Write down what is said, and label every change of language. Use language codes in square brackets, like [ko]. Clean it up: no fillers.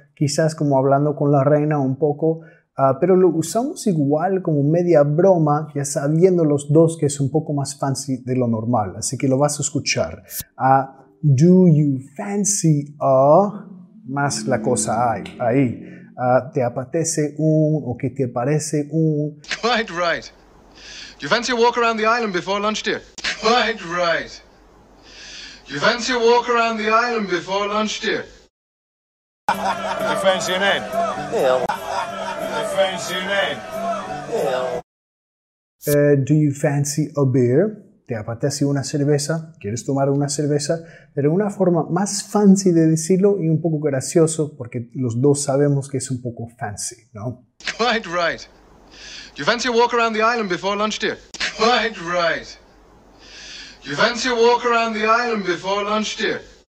[es] Quizás como hablando con la reina un poco, pero lo usamos igual como media broma, ya sabiendo los dos que es un poco más fancy de lo normal. Así que lo vas a escuchar. [en] Do you fancy a... [es] Más la cosa hay ahí. ¿Te apetece un o qué te parece un...? [en] Quite right. Do you fancy a walk around the island before lunch, dear? Quite right. Do you fancy a walk around the island before lunch, dear? You fancy an egg? Yeah. You fancy an egg? Yeah. Do you fancy a beer? [es] ¿Te apetece una cerveza? ¿Quieres tomar una cerveza? Pero una forma más fancy de decirlo y un poco gracioso, porque los dos sabemos que es un poco fancy, ¿no? [en] Quite right. Do you fancy a walk around the island before lunch, dear? Quite right. Do you fancy a walk around the island before lunch, dear?